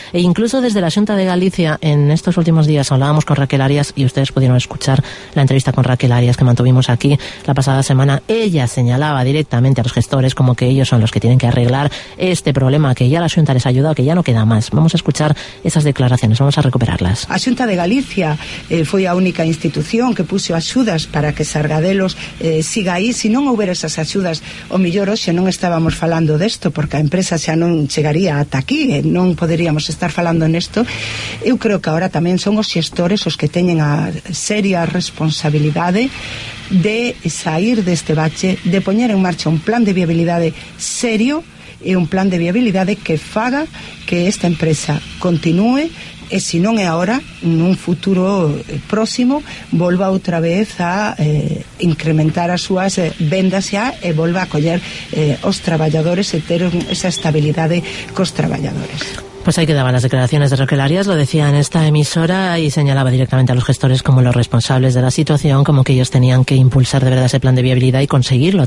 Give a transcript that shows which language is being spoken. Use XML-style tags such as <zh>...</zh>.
<es>E incluso desde la Xunta de Galicia, en estos últimos días hablábamos con Raquel Arias y ustedes pudieron escuchar la entrevista con Raquel Arias que mantuvimos aquí la pasada semana. Ella señalaba directamente a los gestores como que ellos son los que tienen que arreglar este problema, que ya la Xunta les ha ayudado, que ya no queda más. Vamos a escuchar esas declaraciones, vamos a recuperarlas.</es> <gl>A Xunta de Galicia foi a única institución que puso axudas para que Sargadelos siga aí. Si non houbera esas axudas, o mellor hoxe non estábamos falando desto, porque a empresa xa non chegaría ata aquí, non poderíamos estar falando nesto. Eu creo que ahora tamén son os xestores os que teñen a seria responsabilidade de sair deste bache, de poñer en marcha un plan de viabilidade serio e un plan de viabilidade que faga que esta empresa continúe e, se non é agora, nun futuro próximo, volva outra vez a incrementar as súas vendas e volva a acoller os traballadores e ter esa estabilidade cos traballadores.</gl> <es>Pues ahí quedaban las declaraciones de Raquel Arias, lo decía en esta emisora y señalaba directamente a los gestores como los responsables de la situación, como que ellos tenían que impulsar de verdad ese plan de viabilidad y conseguirlo.</es>